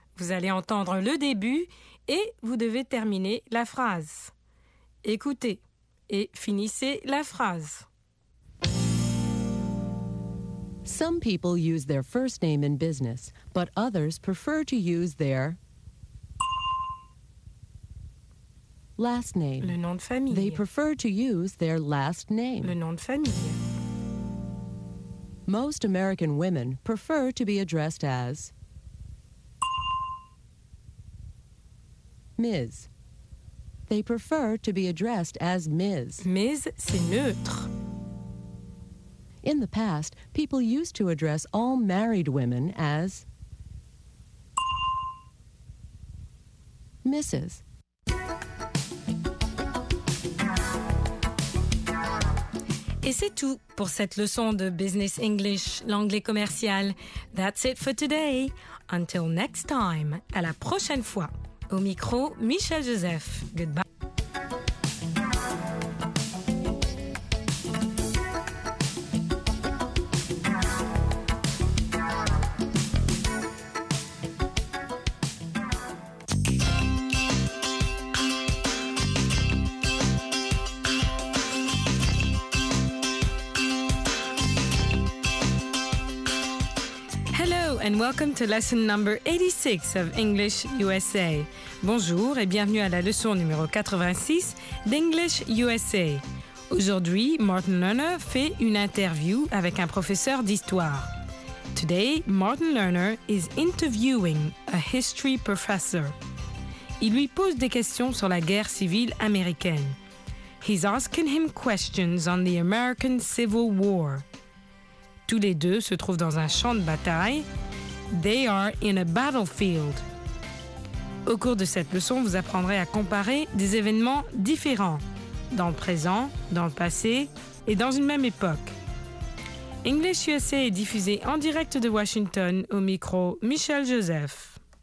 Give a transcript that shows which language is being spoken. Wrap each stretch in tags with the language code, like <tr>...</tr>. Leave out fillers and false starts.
<fr>Vous allez entendre le début et vous devez terminer la phrase. Écoutez et finissez la phrase.</fr> <en>Some people use their first name in business, but others prefer to use their last name.</en> <fr>Le nom de famille.</fr> <en>They prefer to use their last name.</en> <fr>Le nom de famille.</fr> <en>Most American women prefer to be addressed as Ms. They prefer to be addressed as Ms.</en> <fr>Ms, c'est neutre.</fr> <en>In the past, people used to address all married women as Mrs.</en> <fr>Et c'est tout pour cette leçon de Business English, l'anglais commercial.</fr> <en>That's it for today. Until next time,</en> <fr>à la prochaine fois. Au micro, Michel Joseph.</fr> <en>Goodbye. And welcome to lesson number 86 of English USA.</en> <fr>Bonjour et bienvenue à la leçon numéro 86 d'English USA. Aujourd'hui, Martin Lerner fait une interview avec un professeur d'histoire.</fr> <en>Today, Martin Lerner is interviewing a history professor.</en> <fr>Il lui pose des questions sur la guerre civile américaine.</fr> <en>He's asking him questions on the American Civil War.</en> <fr>Tous les deux se trouvent dans un champ de bataille.</fr> <en>They are in a battlefield.</en> <fr>Au cours de cette leçon, vous apprendrez à comparer des événements différents, dans le présent, dans le passé et dans une même époque. English USA est diffusé en direct de Washington au micro Michel Joseph.</fr>